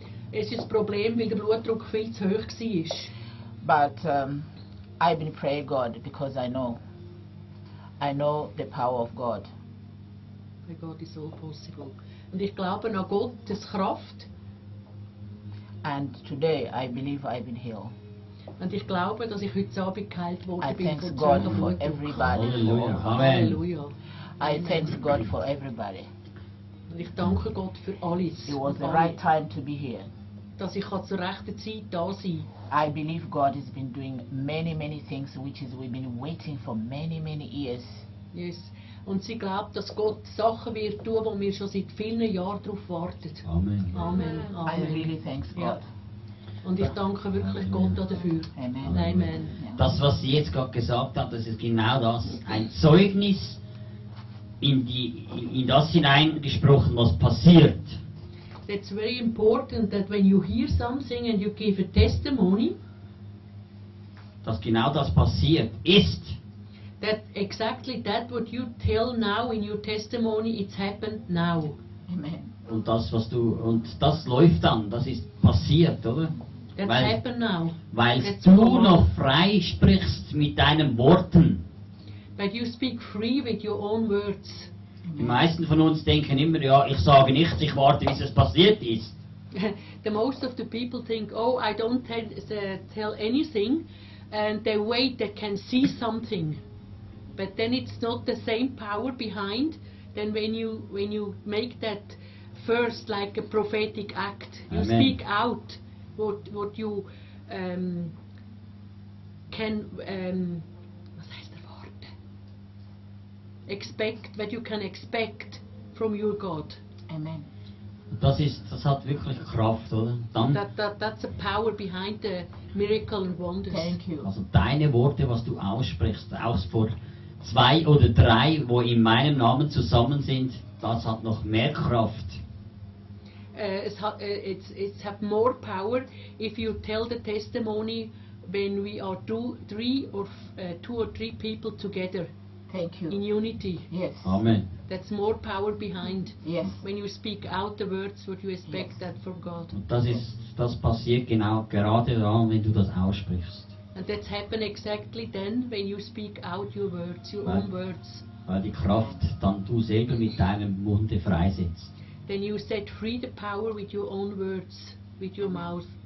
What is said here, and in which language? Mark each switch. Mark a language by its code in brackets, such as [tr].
[de] Es ist ein Problem, weil der Blutdruck viel zu hoch war. [en] But I've been praying God because I know the power of God. God is all possible. [de] Und ich glaube an Gottes Kraft. [en] And today I believe I've been healed. [de] Und ich glaube, dass ich heute Abend geheilt worden bin. [en] I thank God for everybody. [de] Halleluja. [en] Amen. I thank God for everybody. [de] Und ich danke Gott für alles. [en] It was the right time to be here. [de] Dass ich zur rechten Zeit da sein kann. [en] I believe God has been doing many, many things which is we've been waiting for many, many years. Yes. [de] Und sie glaubt, dass Gott Sachen wird tun, wo wir schon seit vielen Jahren darauf warten. [en] Amen. Amen. Amen. I really thanks God. [de] Ja. Und ich danke wirklich Amen. Gott dafür. [en] Amen. Amen. [de] Das, was sie jetzt gerade gesagt hat, das ist genau das. Ein Zeugnis in das hineingesprochen, was passiert. [en] It's very important that when you hear something and you give a testimony, [de] dass genau das passiert ist. [en] That exactly that what you tell now in your testimony, it's happened now. Amen. [de] Und das, was du, und das läuft dann, das ist passiert, oder? [en] That's weil, happened now. [de] Weil du noch frei sprichst mit deinen Worten. [en] But you speak free with your own words. [de] Die meisten von uns denken immer, ja, ich sage nichts, ich warte, bis es passiert ist. [en] The most of the people think, oh, I don't tell anything, and they wait, they can see something. But then it's not the same power behind than when you make that first like a prophetic act. You Amen. Speak out what you can [de] was heißt der Wort? [en] Expect what you can expect from your God. Amen. [de] Das hat wirklich Kraft, oder? [en] Dann that's the power behind the miracle and wonders. Thank you. [de] Also deine Worte, was du aussprichst, auch vor zwei oder drei, wo in meinem Namen zusammen sind, das hat noch mehr Kraft. [en] It's have more power if you tell the testimony when we are two or three people together. Thank you. In unity. Yes. Amen. That's more power behind. Yes. When you speak out the words, what you expect, yes, that from God. [de] Und das passiert genau gerade dann, wenn du das aussprichst. [en] And that's happen exactly then when you speak out your words, your own words. [de] Weil die Kraft dann du selber mit deinem Munde freisetzt. [en] Then you set free the power with your own words, with your mouth.